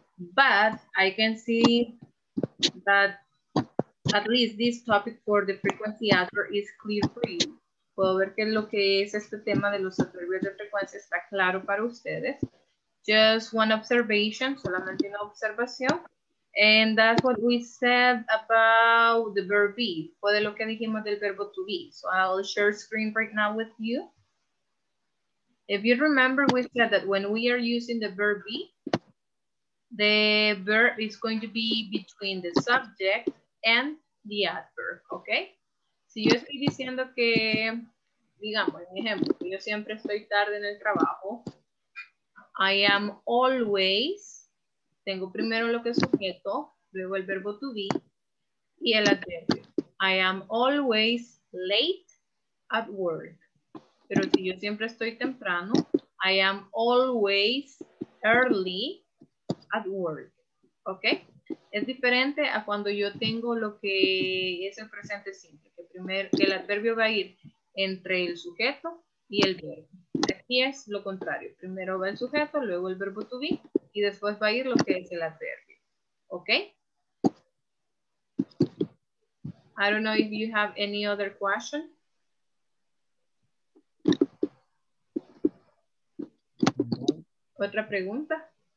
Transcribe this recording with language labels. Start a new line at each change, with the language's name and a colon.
English: But I can see that at least this topic for the frequency adverb is clear for you.
Spanish: Puedo ver que lo que es este tema de los adverbios de frecuencia está claro para ustedes.
English: Just one observation,
Spanish: solamente una observación.
English: And that's what we said about the verb be.
Spanish: Fue de lo que dijimos del verbo to be.
English: So I'll share screen right now with you. If you remember, we said that when we are using the verb be, the verb is going to be between the subject and the adverb, okay?
Spanish: Si yo estoy diciendo que, digamos, un ejemplo, yo siempre estoy tarde en el trabajo.
English: I am always.
Spanish: Tengo primero lo que es sujeto, luego el verbo to be y el adverbio.
English: I am always late at work.
Spanish: Pero si yo siempre estoy temprano,
English: I am always early at work.
Spanish: ¿Ok? Es diferente a cuando yo tengo lo que es el presente simple, que primero el adverbio va a ir entre el sujeto y el verbo. Aquí es lo contrario. Primero va el sujeto, luego el verbo to be. Y después va a ir lo que es el adverbio. ¿Ok?
English: I don't know if you have any other question.
Spanish: ¿Otra pregunta?